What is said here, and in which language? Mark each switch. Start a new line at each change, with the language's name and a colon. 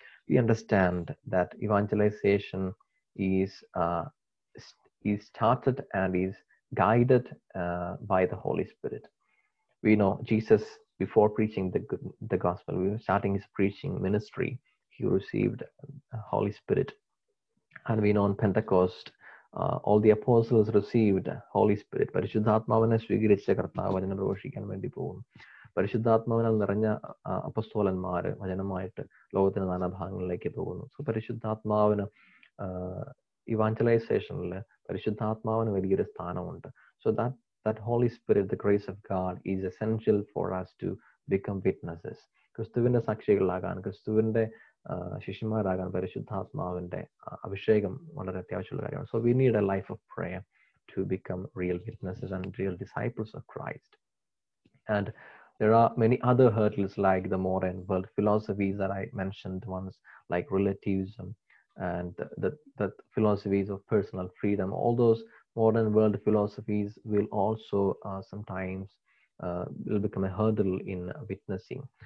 English: We understand that evangelization is started and is guided by the Holy Spirit. We know Jesus, before preaching the gospel, we were starting his preaching ministry, he received the Holy Spirit. And we know on Pentecost, all the apostles received Holy Spirit.
Malayalam: പരിശുദ്ധാത്മാവിനെ സ്വീകരിച്ച കർത്താവ് വചനം പ്രഘോഷിക്കാൻ വേണ്ടി പോകും. പരിശുദ്ധാത്മാവിനാൽ നിറഞ്ഞ അപ്പസ്തോലന്മാർ വചനമായിട്ട് ലോകത്തിന്റെ നാനാ ഭാഗങ്ങളിലേക്ക് പോകുന്നു. സോ പരിശുദ്ധാത്മാവിന് ഇവാഞ്ചലൈസേഷനിൽ പരിശുദ്ധാത്മാവിന് വലിയൊരു സ്ഥാനമുണ്ട്.
English: So that that Holy Spirit, the grace of God, is essential for us to become witnesses.
Malayalam: ക്രിസ്തുവിന്റെ സാക്ഷികളാകാൻ, ക്രിസ്തുവിന്റെ ശിഷ്യന്മാരാകാൻ പരിശുദ്ധാത്മാവിന്റെ അഭിഷേകം വളരെ അത്യാവശ്യമുള്ള കാര്യമാണ്.
English: So we need a life of prayer to become real witnesses and real disciples of Christ. And there are many other hurdles like the modern world philosophies that I mentioned once, like relativism and the philosophies of personal freedom. All those modern world philosophies will also sometimes will become a hurdle in witnessing.